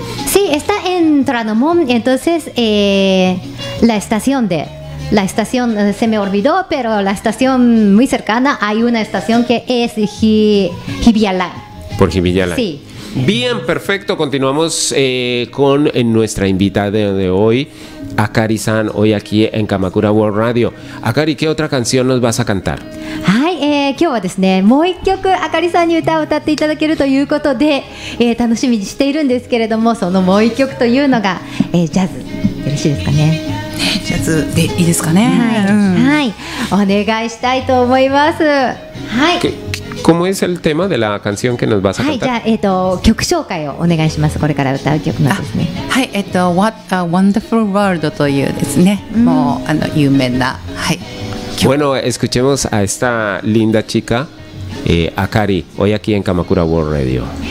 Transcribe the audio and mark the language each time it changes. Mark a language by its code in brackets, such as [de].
[es] Sí, está en Tranomon, entonces la estación muy cercana, hay una estación que es Hibiyalan. Por Hibiyalan. Sí. Bien, perfecto. Continuamos con nuestra invitada de hoy, Akari-san, hoy aquí en Kamakura World Radio. Akari, ¿qué otra canción nos vas a cantar? [ja] Hi, 今日はですね、もう一曲、Akari-san に歌を歌っていただけるということで、楽しみにしているんですけれども、そのもう一曲というのが、ジャズ。よろしいですかね。ジャズでいいですかね。はい。はい。お願いしたいと思います。はい。 [es] ¿Cómo es el tema de la canción que nos vas a cantar? Sí, ya, Wonderful World, Bueno, escuchemos a esta linda chica, Akari, hoy aquí en Kamakura World Radio.